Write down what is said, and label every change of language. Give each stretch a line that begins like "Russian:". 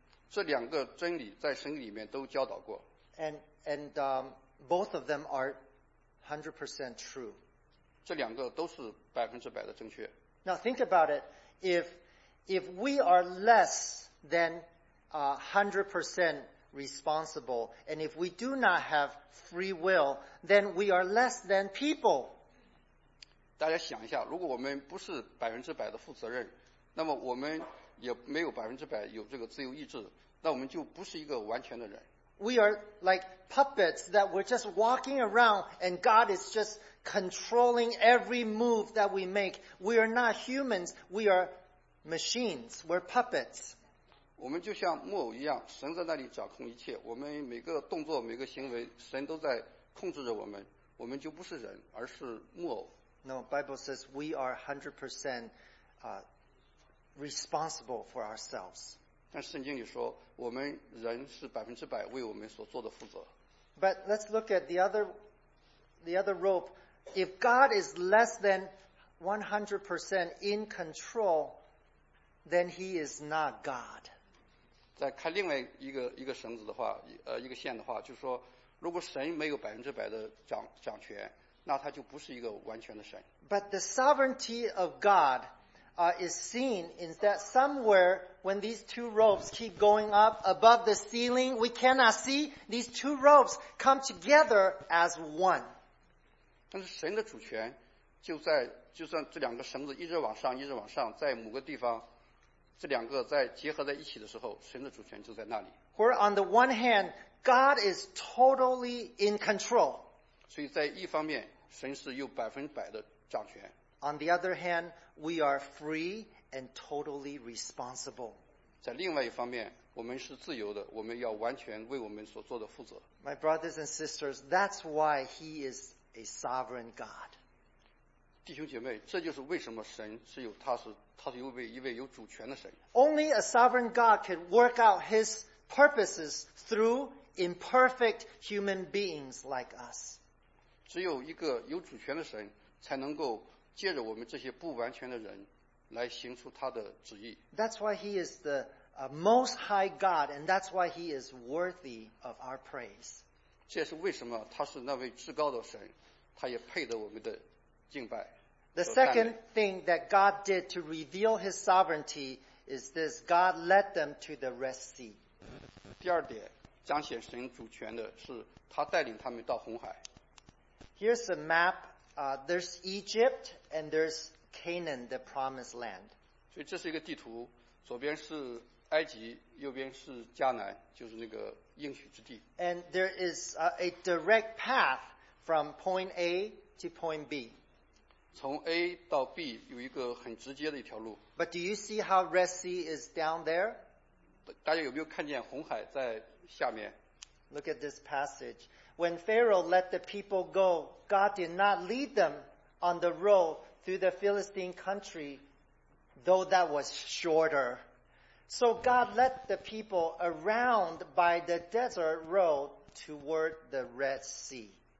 Chinese: 这两个真理在圣经里面都教导过。
English: And both of them are 100% true.
Chinese: 这两个都是百分之百的正确。
English: Now think about it. If we are less than 100% responsible, and if we do not have free will, then we are less than people.
Chinese: 大家想一下，如果我们不是百分之百的负责任，那么我们也没有百分之百有这个自由意志，那我们就不是一个完全的人。
English: We are like puppets that we're just walking around, and God is just controlling every move that we make. We are not humans. We are machines. We're puppets.
Chinese: 我们就像木偶一样，神在那里掌控一切。我们每个动作、每个行为，神都在控制着我们。我们就不是人，而是木偶。
English: No, Bible says we are 100% responsible for ourselves.
Chinese: 但圣经里说，我们人是百分之百为我们所做的负责。
English: But let's look at the other rope. If God is less than 100% in control, then he is not God.
Chinese: 再看另外一个绳子的话，一个线的话，就是说，如果神没有100%的掌权，那他就不是一个完全的神。
English: But the sovereignty of God, is seen in that somewhere when these two ropes keep going up above the ceiling, we cannot see these two ropes come together as one.
Chinese: 但是神的主权就算这两个绳子一直往上，在某个地方。这两个在结合在一起的时候，神的主权就在那里。
English: Where on the one hand, God is totally in control.
Chinese: 所以在一方面，神是有100%的掌权。
English: On the other hand, we are free and totally responsible.
Chinese: 在另外一方面，我们是自由的，我们要完全为我们所做的负责。
English: My brothers and sisters, that's why He is a sovereign God.
Chinese: 弟兄姐妹，这就是为什么神是有他是。他是一位有主权的神。
English: Only a sovereign God can work out his purposes through imperfect human beings like us.
Chinese: 只有一个有主权的神才能够借着我们这些不完全的人来行出他的旨意。
English: That's why he is the most high God, and that's why he is worthy of our praise.
Chinese: 这是为什么他是那位至高的神，他也配得我们的敬拜。
English: The second thing that God did to reveal His sovereignty is this: God led them to the Red Sea.
Chinese: 第二点，彰显神主权的是他带领他们到红海。
English: Here's a map. There's Egypt and there's Canaan, the Promised Land.
Chinese: 所以这是一个地图，左边是埃及，右边是迦南，就是那个应许之地。
English: And there is a direct path from point A to point B.
Chinese: 从 A 到 B 有一个很直接的一条路。
English: But do you see how Red Sea is down there?
Chinese: 大家有没有看见红海在下面？
English: Look at this passage. When Pharaoh let the people go, God did not lead them on the road through the Philistine country, though that was shorter. So God led the people around by the desert road toward the Red Sea.